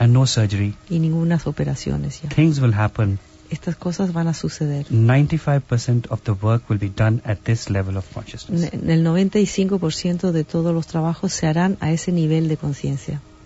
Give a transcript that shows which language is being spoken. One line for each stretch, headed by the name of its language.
English: And no surgery.
Spanish: Y ninguna operación ya.
English: Things will happen.
Spanish: Estas cosas van a suceder.
English: 95% of the work will be done at this level of consciousness.
Spanish: El 95% de todos los trabajos se harán a ese nivel de conciencia.